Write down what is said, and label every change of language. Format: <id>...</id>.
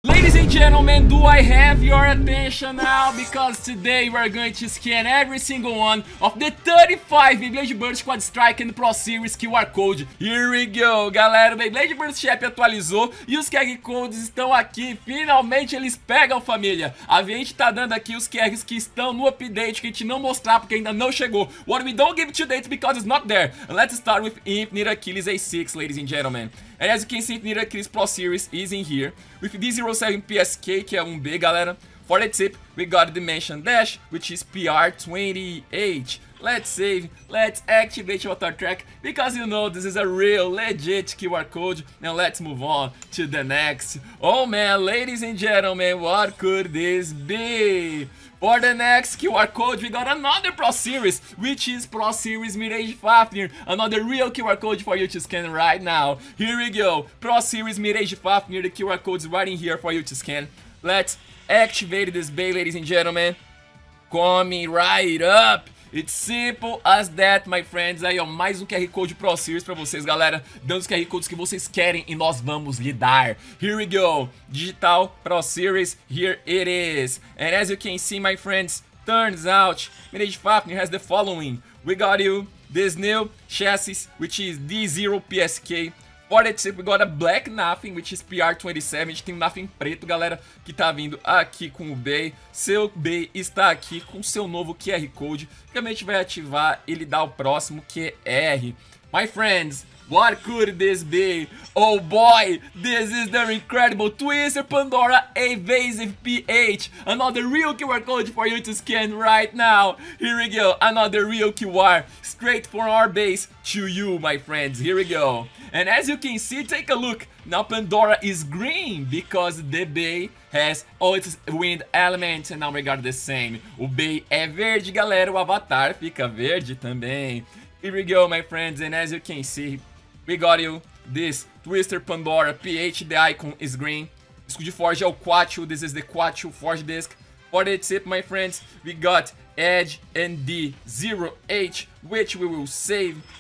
<en>Ladies and gentlemen, do I have your attention now? Because today we are going to scan every single one of the 35 Beyblade Burst Quad Strike and Pro Series QR Code. Here we go, galera.</en> <pt>O Beyblade Burst App atualizou e os QR Codes estão aqui. Finalmente eles pegam, família. A gente tá dando aqui os QRs que estão no update, que a gente não mostrar porque ainda não chegou.</pt> <en>What we don't give to date because it's not there. And let's start with Infinite Achilles A6, ladies and gentlemen. And as you can see, Infinite Achilles Pro Series is in here. With D07 PSK,</en> <pt>que é 1B, galera.</pt> <en>For the tip, we got Dimension Dash, which is PR28. Let's save, let's activate our track, because you know this is a real, legit QR code. Now let's move on to the next. Oh man, ladies and gentlemen, what could this be? For the next QR code, we got another Pro Series, which is Pro Series Mirage Fafnir. Another real QR code for you to scan right now. Here we go, Pro Series Mirage Fafnir, the QR code is right in here for you to scan. Let's activate this bay, ladies and gentlemen. Coming right up. It's simple as that, my friends.</en> <pt>Aí, ó, mais um QR Code Pro Series pra vocês, galera. Dando os QR Codes que vocês querem e nós vamos lhe dar.</pt> <en>Here we go. Digital Pro Series, here it is. And as you can see, my friends, turns out, Mirage Fafnir has the following. We got you this new chassis, which is D0 PSK. For the tip, we got a black nothing, which is PR27.</en> <pt>A gente tem um nothing preto, galera, que tá vindo aqui com o Bey. Seu Bey está aqui com seu novo QR Code. Que a gente vai ativar e lhe dar o próximo QR.</pt> <en>My friends, what could this be? Oh boy, this is the incredible Twister Pandora Evasive PH. Another real QR code for you to scan right now. Here we go, another real QR straight from our base to you, my friends. Here we go. And as you can see, take a look. Now Pandora is green because the bay has all its wind elements and now we got the same.</en> <pt>O bay é verde, galera. O avatar fica verde também.</pt> <en>Here we go, my friends. And as you can see, we got you this Twister Pandora PH. The icon is green.</en> <pt>Disco de forge é o Quattro.</pt> <en>This is the Quattro Forge Disc. For the tip, my friends, we got Edge and D0H, which we will save.</en>